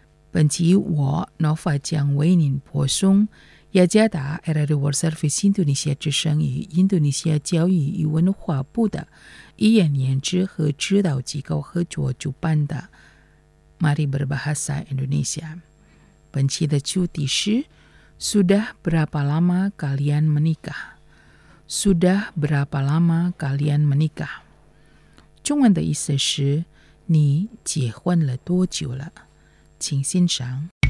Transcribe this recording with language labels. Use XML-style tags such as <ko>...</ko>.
<zh>本期我 Nova 将为您播送雅加达 Radio World Service 印度尼西亚之声与印度尼西亚教育与文化部的一眼研制和指导机构合作主办的 Mari Berbahasa Indonesia。本期的主题是</zh> <id>Sudah berapa lama kalian menikah? Sudah berapa lama kalian menikah?</id> <zh>中文的意思是你结婚了多久了？请欣赏。</zh>